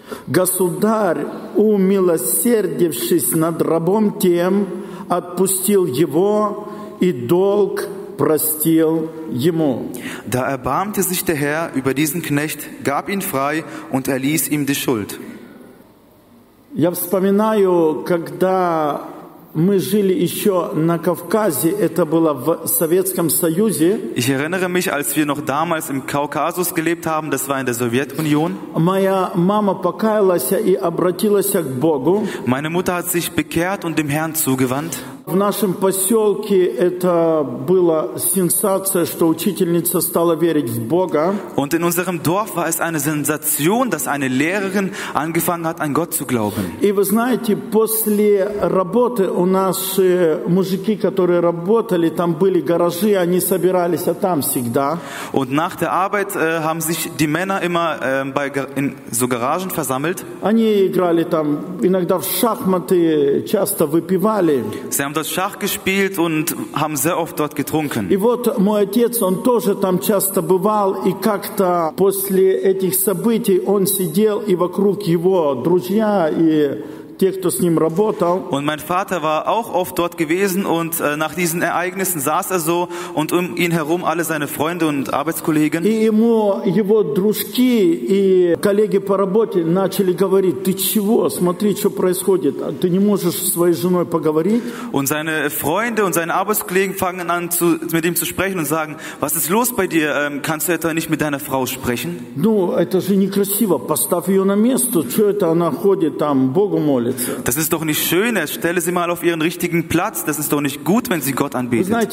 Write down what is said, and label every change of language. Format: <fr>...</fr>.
<ru>Государь, умилосердившись над рабом тем, отпустил его и долг простил ему.</ru> <de>Da erbarmte sich der Herr über diesen Knecht, gab ihn frei und erließ ihm die Schuld.</de> <ru>Я вспоминаю, когда мы жили еще на Кавказе, это было в Советском Союзе.</ru> <de>Ich erinnere mich, als wir noch damals im Kaukasus gelebt haben, das war in der Sowjetunion.</de> <ru>Моя мама покаялась и обратилась к Богу.</ru> <de>Meine Mutter hat sich bekehrt und dem Herrn zugewandt.</de> <ru>В нашем поселке это была сенсация, что учительница стала верить в Бога.</ru> <de>Und in unserem Dorf war es eine Sensation, dass eine Lehrerin angefangen hat, an Gott zu glauben.</de> <ru>И вы знаете, после работы у нас мужики, которые работали, там были гаражи, они собирались, а там всегда.</ru> <de>Und nach der Arbeit haben sich die Männer immer in so Garagen versammelt.</de> <ru>Они играли там, иногда в шахматы, часто выпивали.</ru> <de>Sie haben dort Schach gespielt und haben sehr oft dort getrunken.</de> <ru>И вот мой отец, он тоже там часто бывал, и как-то после этих событий он сидел, и вокруг его друзья и те, кто с ним работал.</ru> <de>Und mein Vater war auch oft dort gewesen und nach diesen Ereignissen saß so und ihn herum alle seine Freunde und Arbeitskollegen.</de> <ru>И ему его дружки и коллеги по работе начали говорить: «Ты чего? Смотри, что происходит. Ты не можешь со своей женой поговорить?»</ru> <de>Und seine Freunde und seine Arbeitskollegen fangen an mit ihm zu sprechen und sagen: «Was ist los bei dir? Kannst du etwa nicht mit deiner Frau sprechen?»</de> <ru>Ну, это же некрасиво. Поставь ее на место. Что это она ходит там? Богу</ru> <de>Das ist doch nicht schön. Er stelle sie mal auf ihren richtigen Platz. Das ist doch nicht gut, wenn sie Gott anbetet.</de>